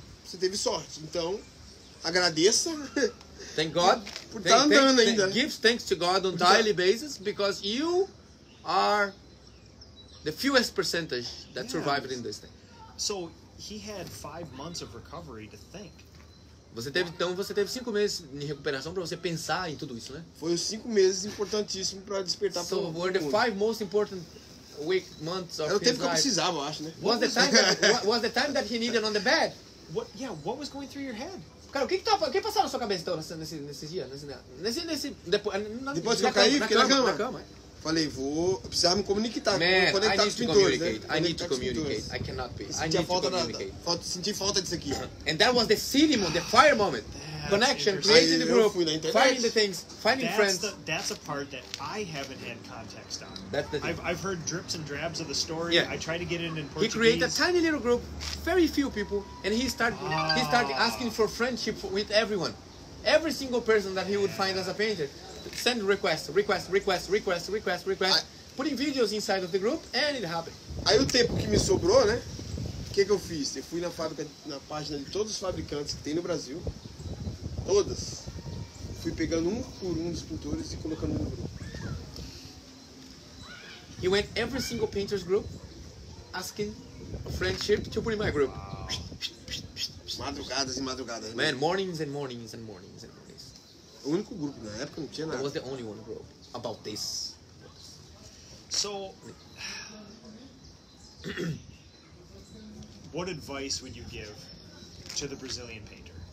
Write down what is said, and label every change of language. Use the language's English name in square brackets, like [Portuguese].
[Portuguese] Você teve sorte, então agradeça. [English] Thank God. [Portuguese] Por estar andando ainda. [English] Gives thanks to God on daily basis because you are... The fewest percentage that survived in this thing. So he had 5 months of recovery to think. [Portuguese] Você teve, então você teve 5 meses de recuperação para você pensar em tudo isso, né? Foi os 5 meses importantíssimos para despertar para o mundo. [English] So were the 5 most important week months of [Portuguese] his life. Era o tempo que eu precisava, eu acho, né? [English] Was the time that he needed on the bed? What was going through your head? [Portuguese] Cara, o que passou na sua cabeça então nesse dia, nesse depois que eu caí, fiquei na cama. Falei, vou... Eu precisava me comunicar. [English] Man, [Portuguese] com os pintores, [English] communicate. Né? I need to communicate. I cannot be. [Portuguese] Senti falta nada. Senti falta disso aqui. [English] And that was the cinema, the fire moment. That's connection, creating the group. Finding the things. Finding that's friends. That's a part that I haven't had context on. That's the thing. I've heard drips and drabs of the story. Yeah. I try to get it in Portuguese. He created a tiny little group, very few people, and he started asking for friendship with everyone. Every single person that he would find as a painter. Send request. Putting videos inside of the group and it happened. [Portuguese] Aí o tempo que me sobrou, né? Que eu fiz? Eu fui na fábrica, na página de todos os fabricantes que tem no Brasil. Todas. Fui pegando um por um dos pintores e colocando no grupo. [English] He went every single painter's group asking friendship to put in my group. [Portuguese] Madrugadas e madrugadas. [English] Man, mornings and mornings and mornings. And mornings. [Portuguese] O único grupo na época não tinha nada. [English] It was the only one group about this. So, what advice would you give to the Brazilian painter?